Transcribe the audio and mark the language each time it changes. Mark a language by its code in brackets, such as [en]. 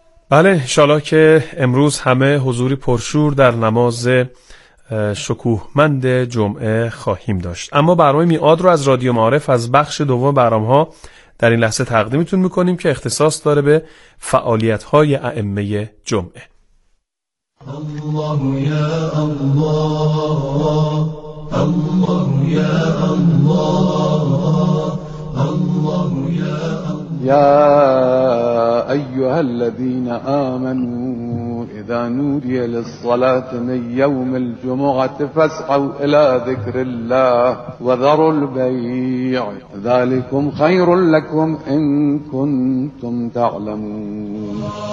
[fa] بله، انشاءالله که امروز همه حضوری پرشور در نماز شکوهمند جمعه خواهیم داشت. اما برنامه میعاد رو از رادیو معارف از بخش دوم برنامه‌ها در این لحظه تقدیمتون میکنیم که اختصاص داره به فعالیت‌های ائمه جمعه. [ar] الله يا الله الله يا الله يا أيها الذين آمنوا إذا نودي للصلاة من يوم الجمعة فاسعوا إلى ذكر الله وذروا البيع ذلكم خير لكم إن كنتم تعلمون.